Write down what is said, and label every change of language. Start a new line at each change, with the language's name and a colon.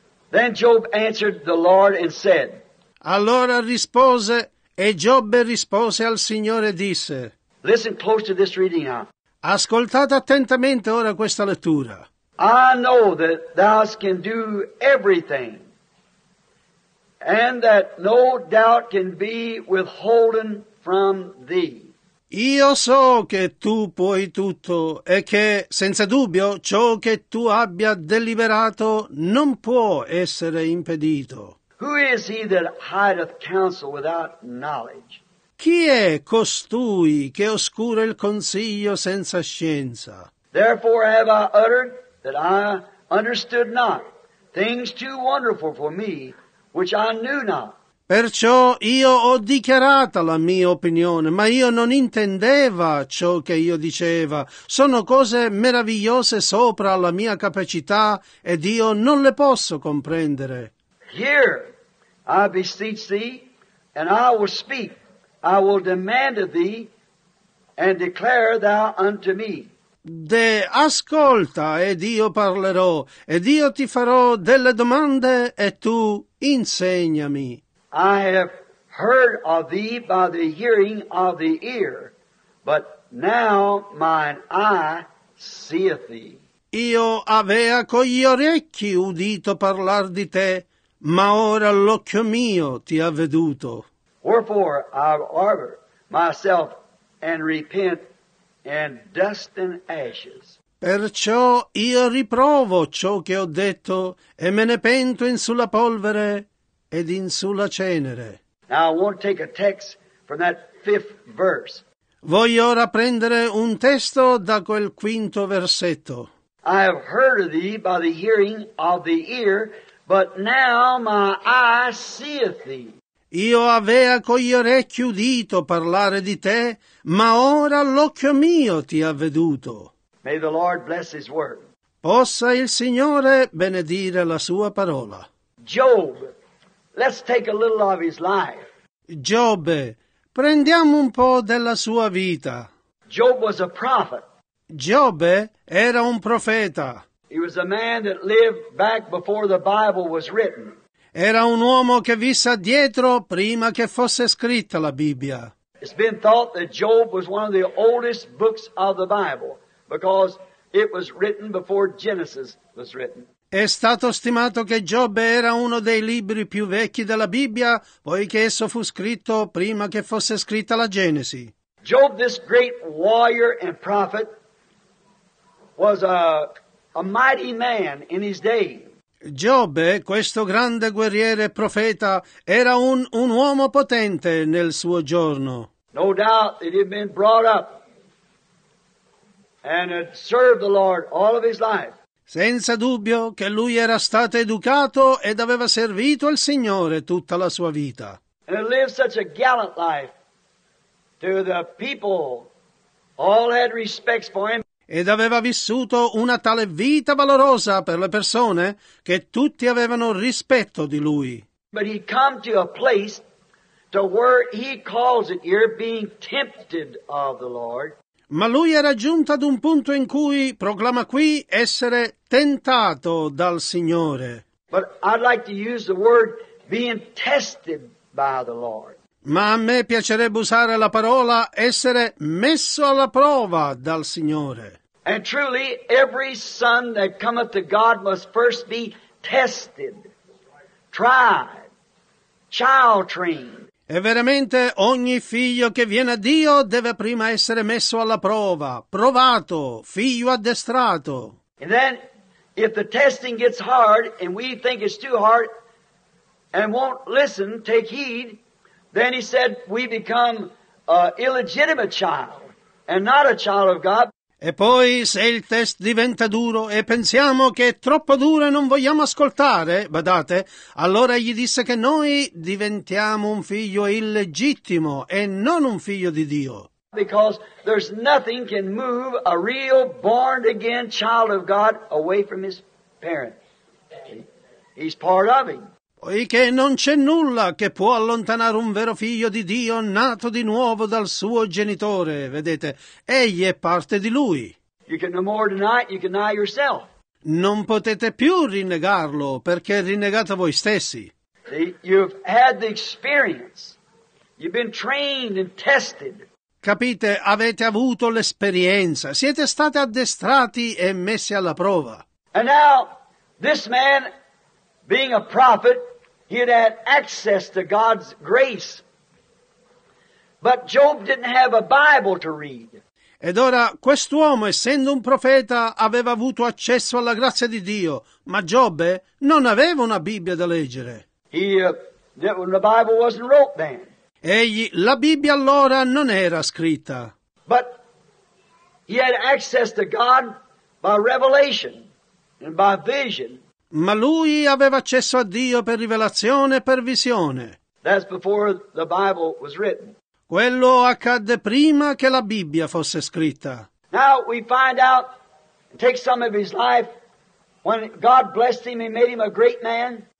English: Then Job answered the Lord and said.
Italian: Allora rispose e Giobbe rispose al Signore e disse.
English: Listen close to this reading now.
Italian: Ascoltate attentamente ora questa lettura.
English: I know that thou can do everything, and that no doubt can be withholden from thee.
Italian: Io so che tu puoi tutto, e che, senza dubbio, ciò che tu abbia deliberato non può essere impedito.
English: Who is he that hideth counsel without knowledge?
Italian: Chi è costui che oscura il consiglio senza scienza?
English: Therefore have I uttered that I understood not things too wonderful for me which I knew not.
Italian: Perciò io ho dichiarata la mia opinione, ma io non intendeva ciò che io diceva. Sono cose meravigliose sopra la mia capacità ed io non le posso comprendere.
English: Here I beseech thee and I will speak. I will demand of thee and declare thou unto me.
Italian: De ascolta ed io parlerò ed io ti farò delle domande e tu insegnami.
English: I have heard of thee by the hearing of the ear, but now mine eye seeth thee.
Italian: Io avea con gli orecchi udito parlar di te, ma ora l'occhio mio ti ha veduto.
English: Wherefore I harbor myself and repent in dust and ashes.
Italian: Perciò io riprovo ciò che ho detto e me ne pento in sulla polvere ed in sulla cenere.
English: Now I want to take a text from that fifth verse.
Italian: Voglio ora prendere un testo da quel quinto versetto.
English: I have heard of thee by the hearing of the ear, But now my eye seeth thee.
Italian: Io avea cogli orecchi udito parlare di te, ma ora l'occhio mio ti ha veduto.
English: May the Lord bless his word.
Italian: Possa il Signore benedire la sua parola.
English: Job, let's take a little of his life.
Italian: Giobbe, prendiamo un po' della sua vita.
English: Job was a prophet.
Italian: Giobbe era un profeta.
English: He was a man that lived back before the Bible was written.
Italian: Era un uomo che visse addietro prima che fosse scritta la Bibbia.
English: It's been thought that Job was one of the oldest books of the Bible because it was written before Genesis was written.
Italian: È stato stimato che Giobbe era uno dei libri più vecchi della Bibbia poiché esso fu scritto prima che fosse scritta la Genesi.
English: Job, this great warrior and prophet, was a mighty man in his day.
Italian: Giobbe, questo grande guerriere e profeta, era un uomo potente nel suo giorno.
English: No doubt that he had been brought up and had served the Lord all of his life.
Italian: Senza dubbio che lui era stato educato ed aveva servito il Signore tutta la sua vita.
English: And he lived such a gallant life to the people. All had respect for him.
Italian: Ed aveva vissuto una tale vita valorosa per le persone che tutti avevano rispetto di lui.
English: But he come to a place to where he calls it here being tempted of the Lord.
Italian: Ma lui era giunto ad un punto in cui proclama qui essere tentato dal Signore.
English: But I'd like to use the word being tested by the Lord.
Italian: Ma a me piacerebbe usare la parola essere messo alla prova dal Signore.
English: And truly, every son that cometh to God must first be tested, tried, child trained.
Italian: E veramente ogni figlio che viene a Dio deve prima essere messo alla prova, provato, figlio addestrato.
English: And then, if the testing gets hard and we think it's too hard and won't listen, take heed. Then he said, we become an illegitimate child and not a child of God.
Italian: E poi se il test diventa duro e pensiamo che è troppo duro e non vogliamo ascoltare, badate, allora gli disse che noi diventiamo un figlio illegittimo e non un figlio di Dio.
English: Because there's nothing can move a real born again child of God away from his parents. He's part of him.
Italian: Poiché non c'è nulla che può allontanare un vero figlio di Dio nato di nuovo dal suo genitore, vedete, egli è parte di lui.
English: You can no more deny it, you can deny yourself.
Italian: Non potete più rinnegarlo, perché rinnegate voi stessi.
English: You've had the experience. You've been trained and tested.
Italian: Capite, avete avuto l'esperienza, siete stati addestrati e messi alla prova.
English: And now, this man, being a prophet, he had had access to God's grace. But Job didn't have a Bible to read.
Italian: Ed ora, quest'uomo, essendo un profeta, aveva avuto accesso alla grazia di Dio, ma Giobbe non aveva una Bibbia da leggere.
English: The Bible wasn't wrote then.
Italian: Egli, la Bibbia allora non era scritta.
English: But he had access to God by revelation and by vision.
Italian: Ma lui aveva accesso a Dio per rivelazione e per visione.
English: That's before the Bible was written.
Italian: Quello accadde prima che la Bibbia fosse scritta.
English: Now we find out, take some of his life, when God blessed him and made him a great man.